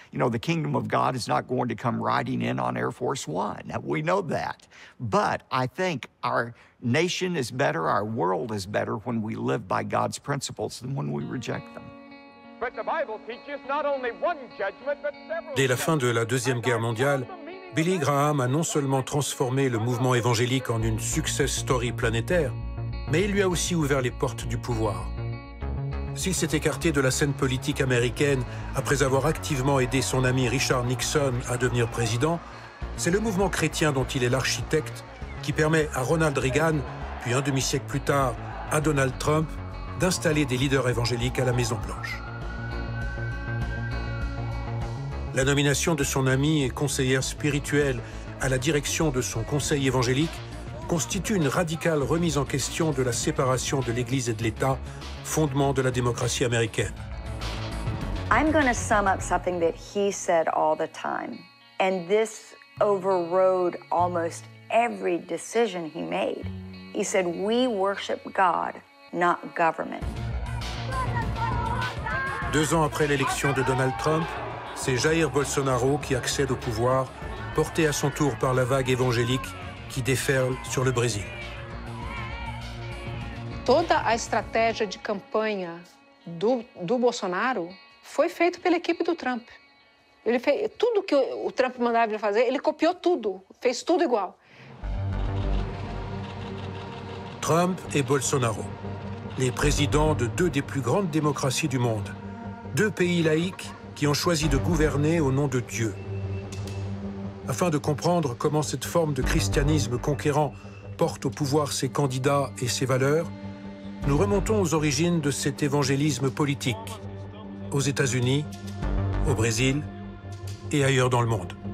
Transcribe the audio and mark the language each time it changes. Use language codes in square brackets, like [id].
[en] You know, the kingdom of God is not going to come riding in on Air Force One. We know that. But I think our nation is better, our world is better when we live by God's principles than when we reject them. But the Bible teaches not only one judgment, but several. [fr] Dès la fin de la Deuxième Guerre mondiale, Billy Graham a non seulement transformé le mouvement évangélique en une success story planétaire, mais il lui a aussi ouvert les portes du pouvoir. S'il s'est écarté de la scène politique américaine après avoir activement aidé son ami Richard Nixon à devenir président, c'est le mouvement chrétien dont il est l'architecte qui permet à Ronald Reagan, puis un demi-siècle plus tard à Donald Trump, d'installer des leaders évangéliques à la Maison-Blanche. La nomination de son ami et conseillère spirituelle à la direction de son conseil évangélique constitue une radicale remise en question de la séparation de l'Église et de l'État, fondement de la démocratie américaine. [en] I'm going to sum up something that he said all the time, and this overrode almost every decision he made. He said, "We worship God, not government." [fr] Deux ans après l'élection de Donald Trump, c'est Jair Bolsonaro qui accède au pouvoir, porté à son tour par la vague évangélique qui déferle sur le Brésil. [pt] Toda a estratégia de campanha do Bolsonaro foi feita pela equipe do Trump. Ele fez tudo que o Trump mandava ele fazer, ele copiou tudo, fez tudo igual. [fr] Trump et Bolsonaro, les présidents de deux des plus grandes démocraties du monde, deux pays laïcs qui ont choisi de gouverner au nom de Dieu. Afin de comprendre comment cette forme de christianisme conquérant porte au pouvoir ses candidats et ses valeurs, nous remontons aux origines de cet évangélisme politique, aux États-Unis, au Brésil et ailleurs dans le monde.